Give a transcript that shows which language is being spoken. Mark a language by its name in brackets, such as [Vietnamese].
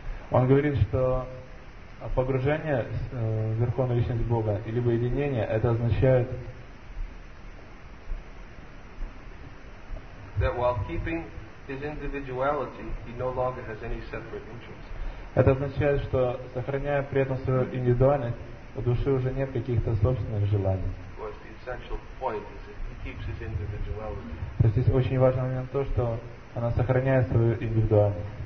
[Russian] Он говорит, что погружение в Верховную Личность Бога либо единение, это означает [English] that while keeping his individuality, he no longer has any separate interests. [Russian] Это означает, что сохраняя при этом свою индивидуальность, у души уже нет каких-то собственных желаний. [English] Of course, the essential point is that he keeps his individuality. [Russian] То есть здесь очень важный момент то, что она сохраняет свою индивидуальность.